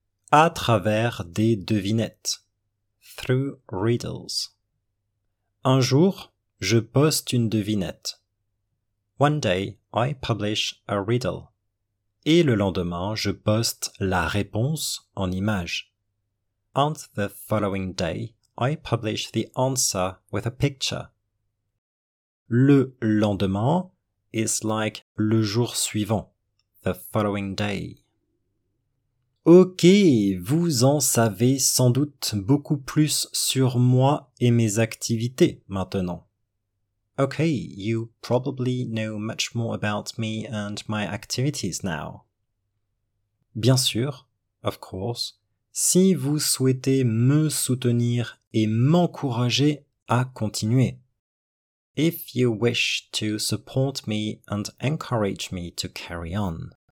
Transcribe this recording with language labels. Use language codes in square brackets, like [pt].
[fr] À travers des devinettes. [en] through riddles. [fr] Un jour, je poste une devinette. [en] One day, I publish a riddle. [fr] Et le lendemain, je poste la réponse en image. [en] And the following day, I publish the answer with a picture. [fr] Le lendemain [en] is like [fr] le jour suivant, [en] the following day. [fr] Ok, vous en savez sans doute beaucoup plus sur moi et mes activités maintenant. [en] Ok, you probably know much more about me and my activities now. [fr] Bien sûr, [en] of course. [fr] Si vous souhaitez me soutenir et m'encourager à continuer. [en] If you wish to support me and encourage me to carry on.